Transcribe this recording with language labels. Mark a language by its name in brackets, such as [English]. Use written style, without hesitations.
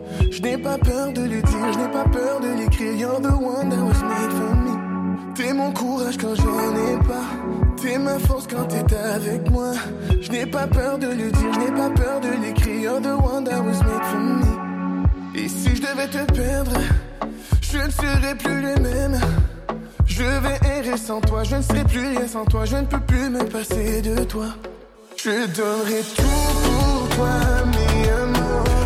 [French] J'ai pas peur de le dire, je n'ai pas peur de l'écrire. [English] You're the one that was made for me. [French] T'es mon courage quand j'en ai pas. T'es ma force quand t'es avec moi. Je n'ai pas peur de le dire, je n'ai pas peur de l'écrire. [English] You're the one that was made for me. [French] Et si je devais te perdre, je ne serais plus le même. Je vais errer sans toi, je ne serai plus rien sans toi. Je ne peux plus me passer de toi. Je donnerai tout pour toi, mon amour.